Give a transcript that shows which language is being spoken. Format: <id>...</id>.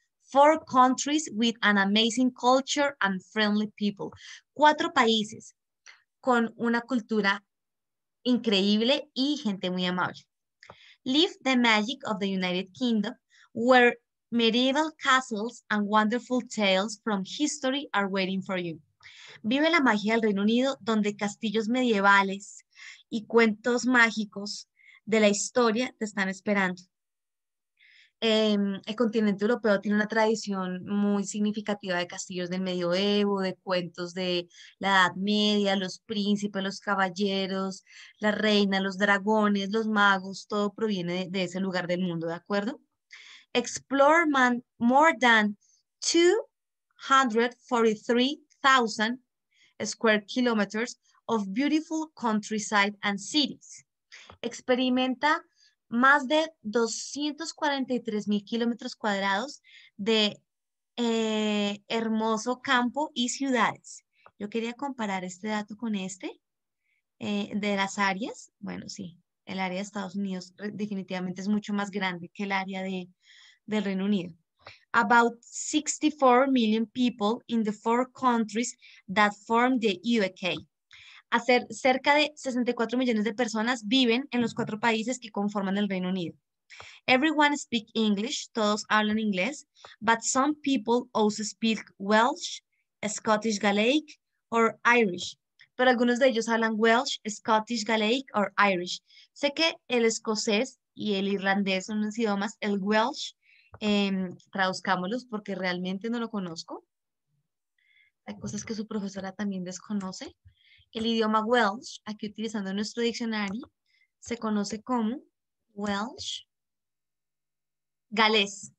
<en>Four countries with an amazing culture and friendly people.</en> <es>Cuatro países con una cultura increíble y gente muy amable.</es> <en>Live the magic of the United Kingdom, where medieval castles and wonderful tales from history are waiting for you.</en> <es>Vive la magia del Reino Unido, donde castillos medievales y cuentos mágicos de la historia te están esperando. El continente europeo tiene una tradición muy significativa de castillos del medioevo, de cuentos de la Edad Media, los príncipes, los caballeros, la reina, los dragones, los magos, todo proviene de ese lugar del mundo, ¿de acuerdo?</es> <en>Explore more than 243,000 square kilometers of beautiful countryside and cities.</en> <es>Experimenta más de 243,000 kilómetros cuadrados de hermoso campo y ciudades. Yo quería comparar este dato con este de las áreas. Bueno, sí, el área de Estados Unidos definitivamente es mucho más grande que el área del Reino Unido.</es> <en>About 64 million people in the four countries that form the UK.</en> <es>Cerca de 64 millones de personas viven en los cuatro países que conforman el Reino Unido.</es> <en>Everyone speaks English,</en> <es>todos hablan inglés,</es> <en>but some people also speak Welsh, Scottish Gaelic, or Irish.</en> <es>Pero algunos de ellos hablan Welsh, Scottish Gaelic, or Irish. Sé que el escocés y el irlandés son los idiomas, el Welsh, traduzcámoslos porque realmente no lo conozco. Hay cosas que su profesora también desconoce. El idioma Welsh, aquí utilizando nuestro diccionario, se conoce como Welsh Galés.</es>